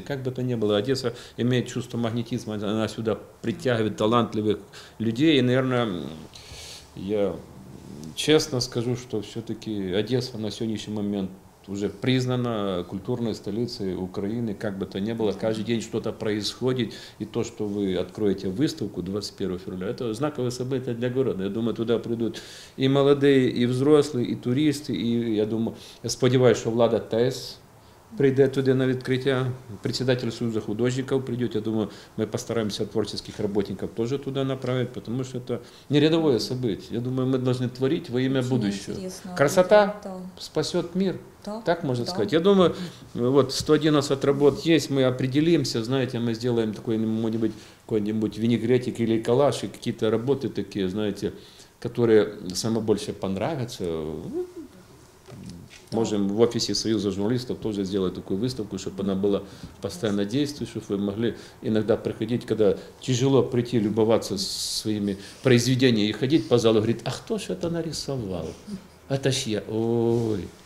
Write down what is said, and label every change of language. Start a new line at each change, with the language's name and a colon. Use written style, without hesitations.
Russian: Как бы то ни было, Одесса имеет чувство магнетизма, она сюда притягивает талантливых людей, и, наверное, я честно скажу, что все-таки Одесса на сегодняшний момент уже признана культурной столицей Украины, как бы то ни было, каждый день что-то происходит, и то, что вы откроете выставку 21 февраля, это знаковое событие для города. Я думаю, туда придут и молодые, и взрослые, и туристы, и я думаю,
Ukrainian: я сподеваюсь,
Russian: что Влада Тесс
Ukrainian: прийде туди на відкриття,
Russian: председатель Союзу
Ukrainian: художників прийде, я думаю, ми постараємося творчих роботників теж туди направити, тому що це не рядове
Russian: событие.
Ukrainian: Я думаю, ми повинні творити во ім'я
Russian: будущего.
Ukrainian: Красота спасе світ. Так можна сказати. Я думаю, от 111 робіт є, ми
Russian: определимся,
Ukrainian: знаєте, ми зробимо такий-небудь винегретик
Russian: или калаш,
Ukrainian: і якісь роботи такі, знаєте, які найбільше
Russian: понравятся. Можем в офисе Союза журналистов тоже сделать такую выставку, чтобы она была постоянно действующей, чтобы вы могли иногда приходить, когда тяжело прийти, любоваться своими произведениями и ходить по залу, говорить, а кто же это нарисовал? Это ж я. Ой.